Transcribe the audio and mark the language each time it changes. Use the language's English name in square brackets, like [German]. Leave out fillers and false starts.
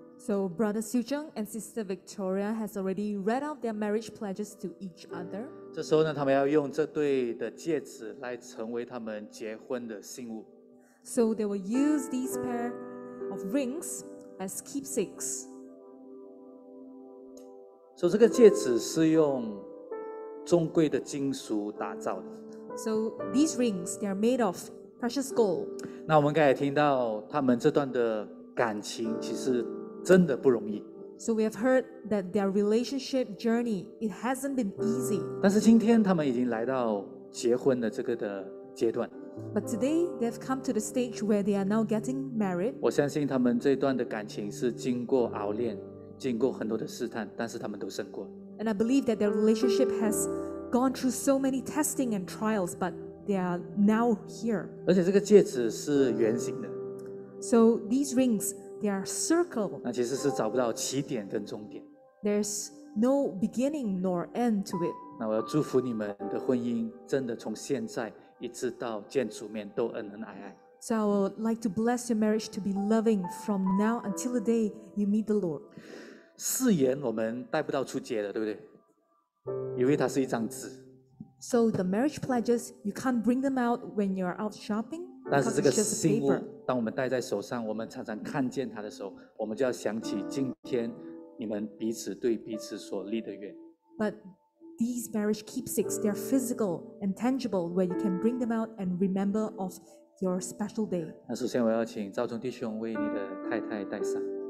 [English] So Brother Su Zheng and Sister Victoria has already read out their marriage pledges to each other. [Chinese] 这时候呢，他们要用这对的戒指来成为他们结婚的信物。 [English] So they will use these pair of rings as keepsakes. [Chinese] So 这个戒指是用中贵的金属打造的。 [English] So these rings, they are made of precious gold. [Chinese] 那我们刚才听到他们这段的感情其实真的不容易。 [English] So we have heard that their relationship journey, it hasn't been easy. [Chinese] 但是今天他们已经来到结婚的这个的阶段。 [English] But today, they've come to the stage where they are now getting married. [Chinese] 我相信他们这段的感情是经过熬炼，经过很多的试探，但是他们都胜过。 [English] And I believe that their relationship has gone through so many testing and trials, but they are now here. [Chinese] 而且这个戒指是圆形的。 [English] So these rings, they are circle. [Chinese] 那其实是找不到起点跟终点。 [English] There's no beginning nor end to it. [Chinese] 那我要祝福你们的婚姻，真的从现在一直到见主面都恩恩爱爱。 [English] So I would like to bless your marriage to be loving from now until the day you meet the Lord. [Chinese] 誓言我们带不到出街的，对不对？因为它是一张纸。 [English] So the marriage pledges you can't bring them out when you are out shopping. [Chinese] 但是这个信物，当我们戴在手上，我们常常看见它的时候，我们就要想起今天你们彼此对彼此所立的愿。 [English] But these marriage keepsakes, they are physical and tangible where you can bring them out and remember of your special day. [Chinese] 那首先我要请赵宗弟兄为你的太太戴上。